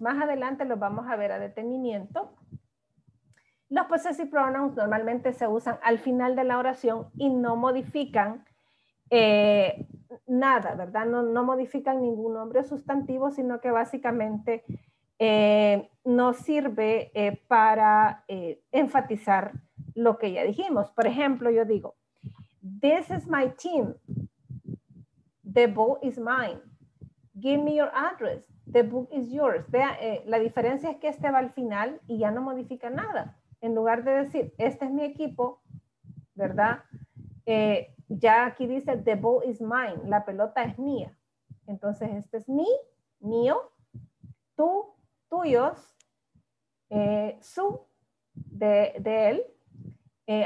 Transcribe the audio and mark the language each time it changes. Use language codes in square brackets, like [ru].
[es] Más adelante los vamos a ver a detenimiento. Los possessive pronouns normalmente se usan al final de la oración y no modifican nada, ¿verdad? No modifican ningún nombre o sustantivo, sino que básicamente nos sirve para enfatizar lo que ya dijimos. Por ejemplo, yo digo, [en] this is my team. The ball is mine. Give me your address. The book is yours. [es] Vea, la diferencia es que este va al final y ya no modifica nada. En lugar de decir, este es mi equipo, ¿verdad? Ya aquí dice, [en] the ball is mine. [es] La pelota es mía. Entonces, este es mi, mío, tú, tuyos, su, de él.